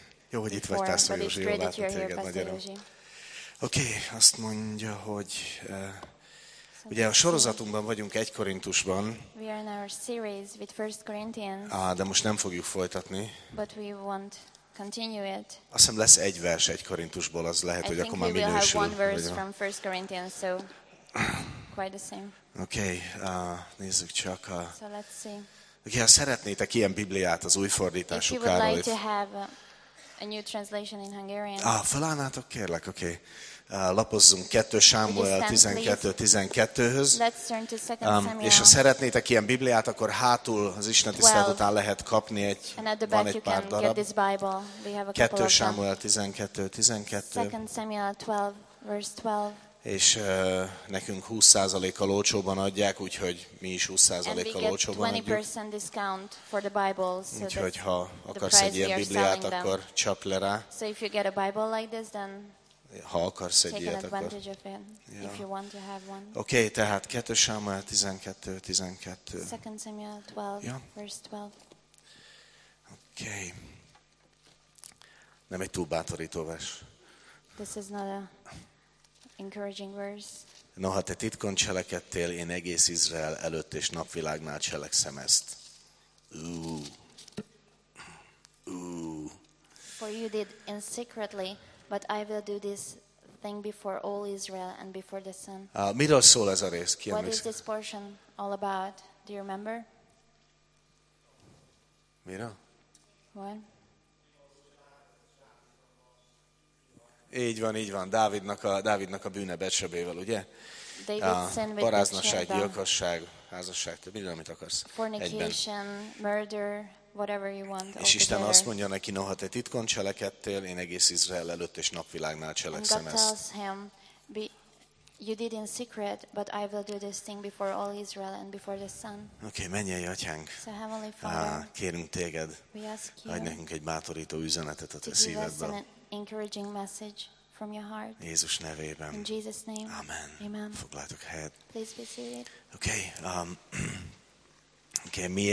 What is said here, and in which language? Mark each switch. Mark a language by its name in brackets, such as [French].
[Hungarian] Jó, hogy itt vagy, Pászor Józsi, jól látni téged, magyarul. Oké, azt mondja, hogy ugye a sorozatunkban vagyunk 1 Korintusban. [English] We are in our series with 1 Corinthians. [Hungarian] De most nem fogjuk folytatni. [English] But we won't continue it. [Hungarian] Azt hiszem lesz egy vers 1 Korintusból, az lehet, [English] I [Hungarian] hogy akkor már minősül. [English] I think we will have one verse from 1 Corinthians, so quite the same. [Hungarian] Nézzük csak. [English] So let's see. [Hungarian] Okay, ha szeretnétek ilyen Bibliát az új fordításuk Károly. [English] If you would like to have a new translation in Hungarian. [Hungarian] Felállnátok, kérlek, oké. Okay. Lapozzunk 2 Sámuel 12-12-höz. És ha szeretnétek ilyen Bibliát, akkor hátul az istentisztelet után lehet kapni egy, van egy pár darab. 2 Sámuel 12-12. És nekünk 20%-kal olcsóban adják, úgyhogy mi is 20%-kal olcsóban adjuk. [English] 20% discount for the Bible, so [Hungarian] úgyhogy ha akarsz egy ilyen Bibliát, akkor csap le rá. [English] So if you get a Bible like this, then [Hungarian] ha akarsz egy ilyet, akkor. [English] Yeah. [Hungarian] Oké, tehát 2 Sámuel 12:12. [English] 2 Samuel 12, yeah. Verse 12. Oké. Okay. [Hungarian] Nem egy túl bátorító vers. [English] This is not a encouraging verse. [Hungarian] Noha te titkon cselekedtél, én egész Izrael előtt és napvilágnál cselekszem ezt. [English] For you did in secretly, but I will do this thing before all Israel and before the sun. [Hungarian] Miről szól ez a rész? Ki emlékszik? [English] What is this portion all about? Do you remember? [Hungarian] Miről? [English] What? [Hungarian] Így van, Dávidnak a bűne Betsebével, ugye? Paráznaság, gyilkosság, házasság, te minden, amit akarsz. [English] Fornication, murder, whatever you want. [Hungarian] És Isten azt mondja neki, noha te titkon cselekedtél, én egész Izrael előtt és napvilágnál cselekszem ezt. [English] And God tells him, you did in secret, but I will do this thing before all Israel and before the sun. [Hungarian] Okay, mennyei atyánk. [English] So Heavenly Father, [Hungarian] kérünk téged, [English] we ask you, [Hungarian] adj nekünk egy bátorító üzenetet a te szívedből. [English] Encouraging message from your heart. [Hungarian] Jézus nevében. [English] In Jesus name. Amen. Amen. [Hungarian] Foglaltok helyet. [English] Please be seated. Okay. Okay.